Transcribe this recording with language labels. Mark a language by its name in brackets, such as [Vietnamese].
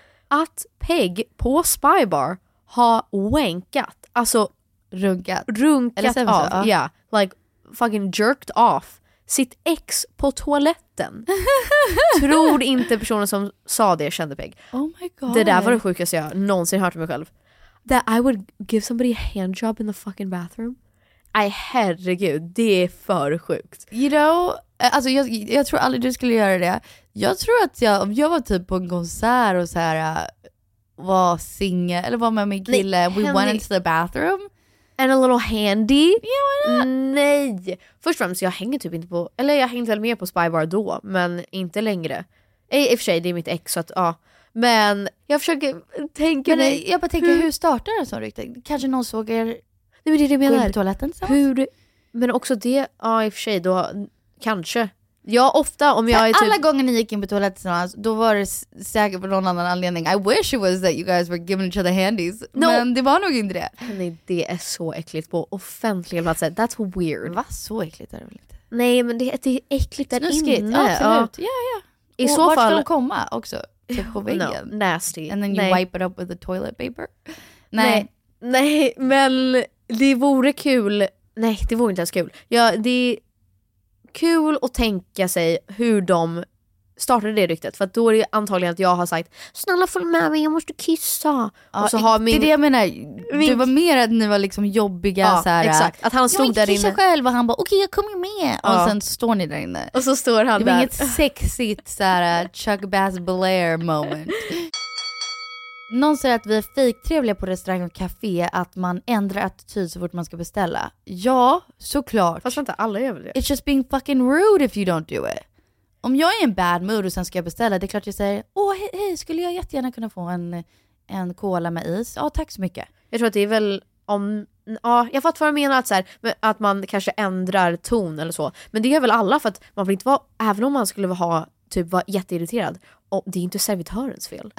[Swedish] Att Peg på Spybar har wankat, alltså runkat [English] av, yeah, like fucking jerked off [Swedish] sitt ex på toaletten. Tror inte personen som sa det kände Peg. [English] Oh my god. [Swedish] Det där var det sjukaste jag någonsin hört om mig själv. [English] That I would give somebody a handjob in the fucking bathroom. [Swedish] Ay, herregud, det är för sjukt. [English] You know, [Swedish] alltså jag tror aldrig du skulle göra det. Jag tror att jag, om jag var typ på en konsert och så här var singa eller var med min kille, nej, [English] we went into the bathroom and a little handy. Yeah, why not? [Swedish] Nej. Först och främst, jag hänger typ inte på, eller jag hängde väl mer på Spybar då, men inte längre. I och för sig, det är mitt ex, så att ja. Men jag försöker tänka, men jag bara tänker hur startar en sån rykte? Kanske någon såg er. Nej, men det är det jag menar. Gå in på toaletten, så. Hur, men också det, ja, i och för sig då kanske. Jag ofta om jag är typ, alla gånger ni gick in på toaletten då var det säkert på någon annan anledning. [English] I wish it was that you guys were giving each other handies. [Swedish] No. Men det var nog inte det. Nej, det är så äckligt på offentliga platser. [English] That's weird. [Swedish] Va, så äckligt är det väl inte? Nej, men det är äckligt där snuskigt inne. Absolut. Ja, ja. I så fall ska de komma också. Typ på väggen. [English] No, nasty. And then you, nej, wipe it up with the toilet paper. [Swedish] Nej. Nej, men det vore kul. Nej, det vore inte ens kul. Ja, det är kul att tänka sig hur de startade det ryktet. För att då är det antagligen att jag har sagt, snälla följ med mig, jag måste kissa. Ja, och så har min, det är det jag menar. Det var mer att ni var liksom jobbiga. Ja, så här, exakt. Att han stod där inne. Jag kissa själv och han bara, okej, jag kommer med. Ja. Och sen står ni där inne. Och så står han det där. Det var inget sexigt så här, Chuck Bass Blair moment. Någon säger att vi är fejktrevliga på restaurang och café, att man ändrar attityd så fort man ska beställa. Ja, såklart. Fast inte alla gör väl det. [English] It's just being fucking rude if you don't do it. [Swedish] Om jag är i en bad mood och sen ska jag beställa, det är klart jag säger, åh, hej, skulle jag jättegärna kunna få en cola med is? Ja, tack så mycket. Jag tror att det är väl om, ja, jag fattar vad du menar, att, så här, att man kanske ändrar ton eller så. Men det gör väl alla, för att man får inte vara, även om man skulle ha typ vara jätteirriterad, och det är inte servitörens fel.